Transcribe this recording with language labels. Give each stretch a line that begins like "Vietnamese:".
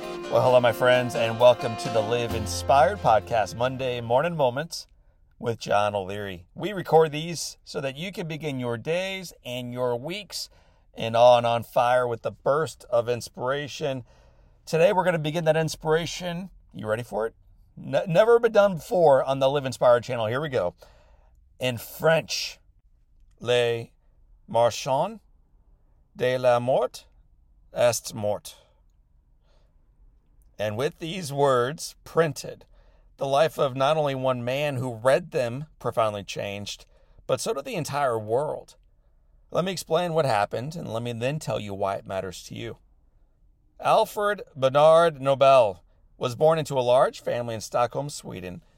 English: Well, hello, my friends, and welcome to the Live Inspired Podcast, Monday Morning Moments with John O'Leary. We record these so that you can begin your days and your weeks in awe and on fire with the burst of inspiration. Today, we're going to begin that inspiration. You ready for it? Never been done before on the Live Inspired channel. Here we go. In French,
French: le marchand de la mort est mort.
English: And with these words printed, the life of not only one man who read them profoundly changed, but so did the entire world. Let me explain what happened, and let me then tell you why it matters to you. Alfred Bernard Nobel was born into a large family in Stockholm, Sweden.